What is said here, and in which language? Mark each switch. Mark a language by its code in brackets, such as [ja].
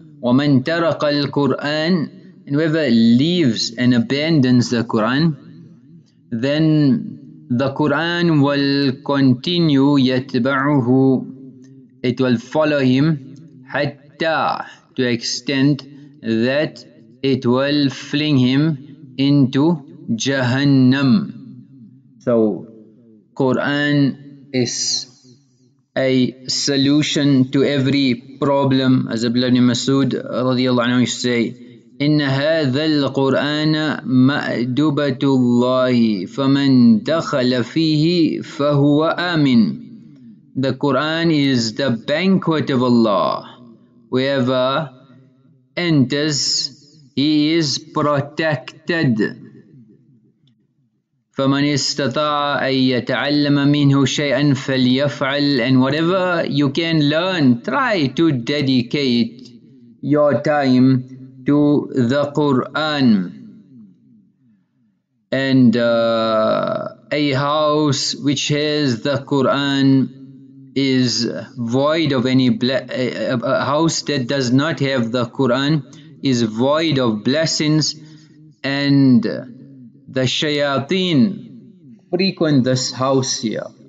[ar] ومن ترك القرآن, [en] and whoever leaves and abandons the Qur'an, then the Qur'an will continue, [ar] يتبعه, [en] it will follow him, حتى, to extent that it will fling him into Jahannam. So Quran is a solution to every problem. As Ibn Masood radhiyallahu anhu say, [ar] إن هذا القرآن مأدبة الله فمن دخل فيه فهو آمن. [en] The Quran is the banquet of Allah. Wherever enters, he is protected. [ar] فمن استطاع أن يتعلم منه شيئا فليفعل. [en] And whatever you can learn, try to dedicate your time to the Quran. And a house which has the Quran is void of any a house that does not have the Quran is void of blessings, and the shayateen frequent this house here.